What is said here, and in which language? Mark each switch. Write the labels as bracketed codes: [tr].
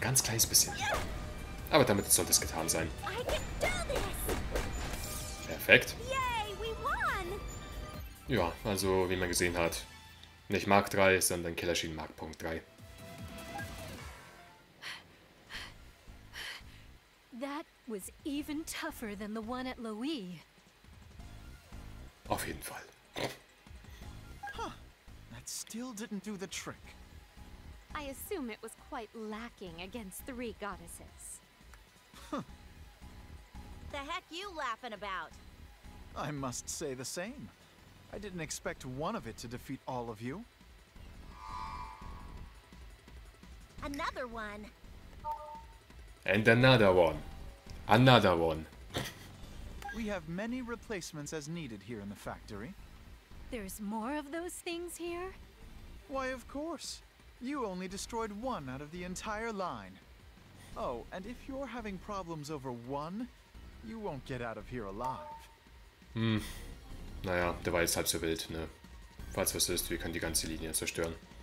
[de] Ganz kleines bisschen. Aber damit sollte es getan sein. [en] I can do this. [de] Perfekt. [en] Yay, we won. [de] Ja, also wie man gesehen hat, nicht Mark 3, sondern Killerschienen Mark Punkt 3. [en] That was even tougher than the one at Louis. [de] Auf jeden Fall. Huh. [en] That still didn't do the trick. I assume it was quite lacking against three goddesses. Huh. The heck you laughing about? I must say the same. I didn't expect one of it to defeat all of you. Another one. And another one. Another one. We have many replacements as needed here in the factory. There's more of those things here? Why, of course. You only destroyed one out of the entire line. Oh, and if you're having problems over one, you won't get out of here alive. Hm. [de] Naja, der war jetzt halb so wild, ne? Falls was ist, wir können die ganze Linie zerstören.